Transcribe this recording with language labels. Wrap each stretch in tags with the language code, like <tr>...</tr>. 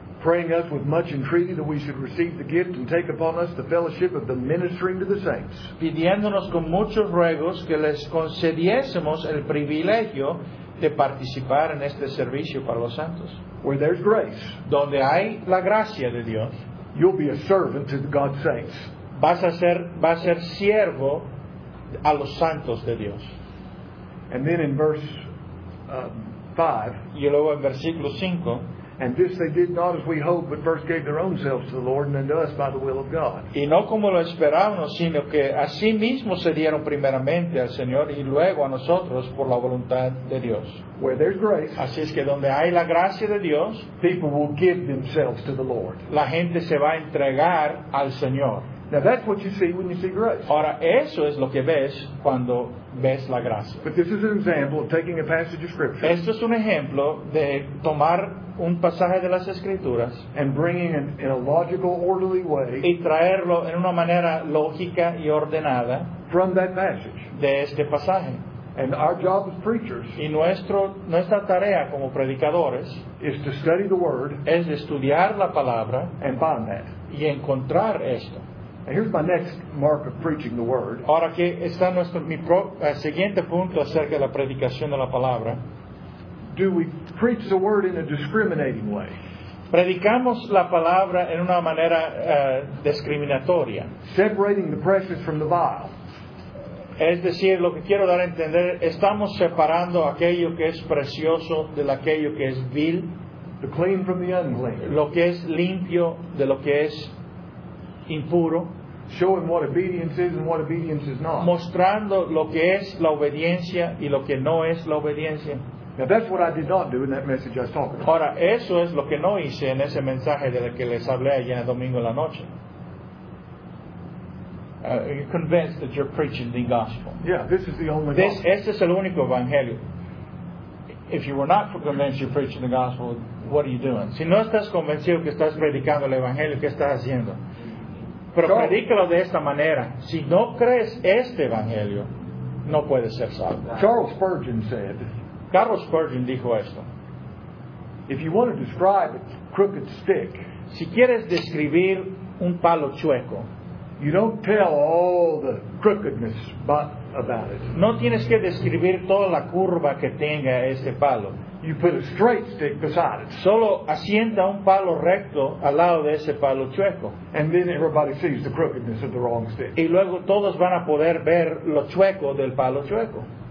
<en>Praying us with much entreaty that we should receive the gift and take upon us the fellowship of the ministering to the saints.</en> <es>Pidiéndonos con muchos ruegos que les concediésemos el privilegio de participar en este servicio para los santos.</es> <en>Where there's grace,</en> <es>donde hay la gracia de Dios,</es> <en>you'll be a servant to God's saints.</en> <es>Vas a ser siervo a los santos de Dios.</es> <en>And then in verse 5.</en> <es>Y luego en versículo 5.</es> <en>And this they did not as we hoped, but first gave their own selves to the Lord and unto us by the will of God.</en> <es>Y no como lo esperábamos, sino que a sí mismos se dieron primeramente al Señor y luego a nosotros por la voluntad de Dios.</es> <en>Where there's grace,</en> <es>así es que donde hay la gracia de Dios,</es> <en>people will give themselves to the Lord.</en> <es>La gente se va a entregar al Señor.</es> <en>Now that's what you see when you see grace.</en> <es>Ahora eso es lo que ves cuando ves la gracia.</es> <en>But this is an example of taking a passage of Scripture.</en> <es>Esto es un ejemplo de tomar un pasaje de las Escrituras</es> <en>and bringing it in a logical, orderly way,</en> <es>y traerlo en una manera lógica y ordenada</es> <en>from that passage,</en> <es>de este pasaje.</es> <en>And our job as preachers,</en> <es>y nuestra tarea como predicadores,</es> <en>is to study the word,</en> <es>es estudiar la palabra,</es> <en>and find that,</en> <es>y encontrar esto.</es> <en>Here's my next mark of preaching the word.</en> <es>Ahora que está nuestro siguiente punto acerca de la predicación de la palabra.</es> <en>Do we preach the word in a discriminating way?</en> <es>Predicamos la palabra en una manera discriminatoria.</es> <en>Separating the precious from the vile.</en> <es>Es decir, lo que quiero dar a entender, estamos separando aquello que es precioso de aquello que es vil.</es> <en>The clean from the unclean.</en> <es>Lo que es limpio de lo que es impuro.</es> <en>Showing what obedience is and what obedience is not.</en> <es>Mostrando lo que es la obediencia y lo que no es la obediencia.</es> <en>Now that's what I did not do in that message I was talking about.</en> <es>Ahora eso es lo que no hice en ese mensaje del que les hablé allá el domingo en la noche.</es> <en>you're convinced that you're preaching the gospel. Yeah, this is the only</en> <es>gospel. Este es el único evangelio.</es> <en>If you were not convinced you're preaching the gospel, what are you doing?</en> <es>Si no estás convencido que estás predicando el evangelio, ¿qué estás haciendo? Pero predícalo de esta manera. Si no crees este evangelio, no puedes ser salvo.</es> <en>Charles Spurgeon said,</en> <es>Carlos Spurgeon dijo esto.</es> <en>If you want to describe a crooked stick,</en> <es>si quieres describir un palo chueco,</es> <en>you don't tell all the crookedness about it.</en> <es>No tienes que describir toda la curva que tenga este palo.</es> <en>You put a straight stick beside it.</en> <es>Solo asienta un palo recto al lado de ese palo chueco.</es> <en>And then everybody sees the crookedness of the wrong stick.</en> <es>Y luego todos van a poder ver lo chueco del palo chueco.</es>